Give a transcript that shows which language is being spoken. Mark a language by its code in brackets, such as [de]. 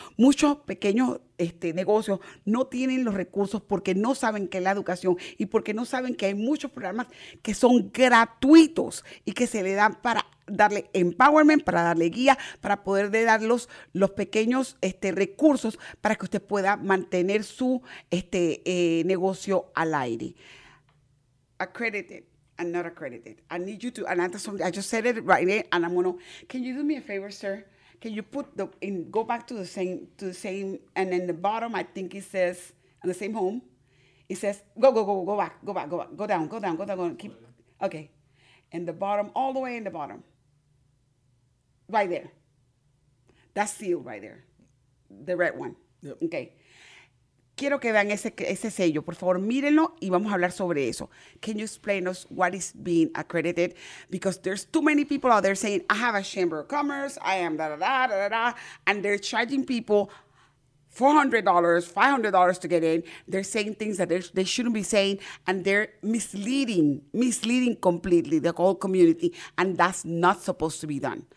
[es] Muchos pequeños negocios no tienen los recursos porque no saben qué es la educación y porque no saben que hay muchos programas que son gratuitos y que se le dan para darle empowerment, para darle guía, para poder dar los pequeños recursos para que usted pueda mantener su negocio al aire. [en] Accredited and not accredited. I need you to, and I just said it right here, and I'm going to, can you do me a favor, sir? Can you put the in? Go back to the same and in the bottom, I think it says on the same home. It says go back, go down. Keep okay, and the bottom, all the way in the bottom. Right there. That's sealed right there. The red one. Yep. [es] Okay. Quiero que vean ese sello. Por favor, mírenlo y vamos a hablar sobre eso. [en] Can you explain us what is being accredited? Because there's too many people out there saying, I have a Chamber of Commerce, I am da-da-da-da-da-da, and they're charging people $400, $500 to get in. They're saying things that they shouldn't be saying, and they're misleading completely the whole community, and that's not supposed to be done.